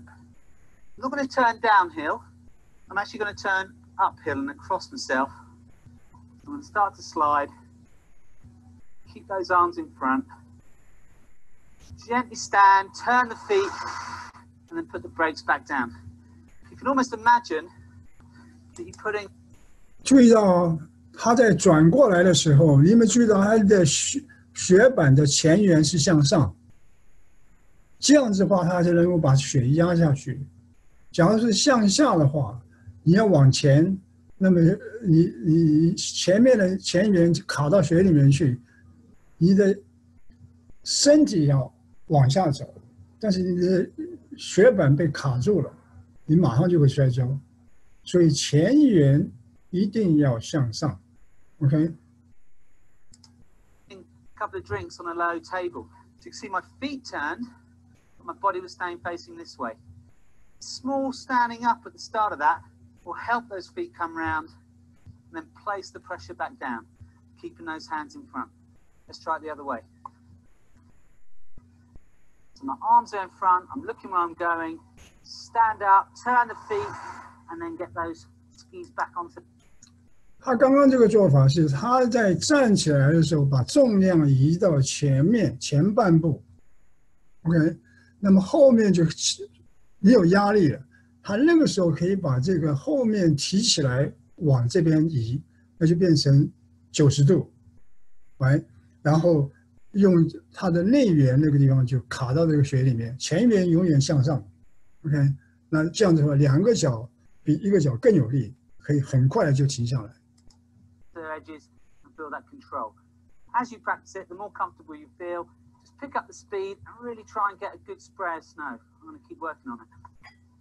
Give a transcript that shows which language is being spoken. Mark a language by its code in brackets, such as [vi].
[en] I'm not going to turn downhill, I'm actually going to turn uphill and across myself. I'm going to start to slide, keep those arms in front, gently stand, turn the feet, and then put the brakes back down. You can almost imagine that you're putting [zh] 注意到他在转过来的时候，你们注意到他的雪板的前缘是向上，这样子的话他就能够把雪压下去。假如是向下的话，你要往前，那么 你前面的前缘卡到雪里面去，你的身体要往下走，但是你的雪板被卡住了，你马上就会摔跤。所以前缘一定要向上 ，OK。 [en] A couple of drinks on a low table. You can see my feet turned, but my body was staying facing this way. Small standing up at the start of that will help those feet come round, and then place the pressure back down, keeping those hands in front. Let's try it the other way. So my arms are in front. I'm looking where I'm going. Stand up, turn the feet, and then get those skis back onto. [zh] 他刚刚这个做法是他在站起来的时候把重量移到前面前半步 ，OK， 那么后面就没有压力了。他那个时候可以把这个后面提起来往这边移，那就变成90度 ， [en] Right， [zh] 然后用他的内缘那个地方就卡到这个雪里面，前缘永远向上 ，OK， 那这样子的话，两个脚比一个脚更有力，可以很快的就停下来。 [en] Edges and feel that control. As you practice it, the more comfortable you feel, just pick up the speed and really try and get a good spray of snow. I'm going to keep working on it.